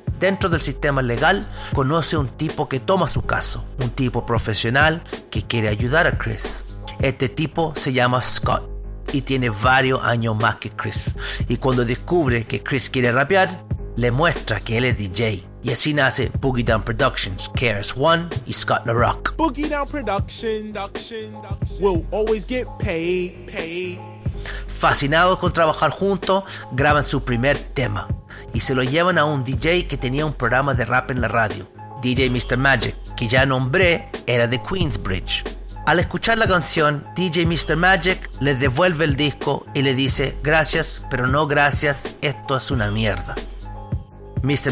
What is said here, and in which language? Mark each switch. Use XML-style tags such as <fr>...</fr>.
<es>Dentro del sistema legal, conoce un tipo que toma su caso, un tipo profesional que quiere ayudar a Chris. Este tipo se llama Scott y tiene varios años más que Chris. Y cuando descubre que Chris quiere rapear, le muestra que él es DJ. Y así nace Boogie Down Productions, KRS-One y Scott La Rock.</es> <en>Boogie Down Productions will always get paid.</en> <es>Fascinados con trabajar juntos, graban su primer tema y se lo llevan a un DJ que tenía un programa de rap en la radio, DJ Mr. Magic, que ya nombré, era de Queensbridge. Al escuchar la canción, DJ Mr. Magic le devuelve el disco y le dice, gracias, pero no gracias, esto es una mierda. Mr.</es>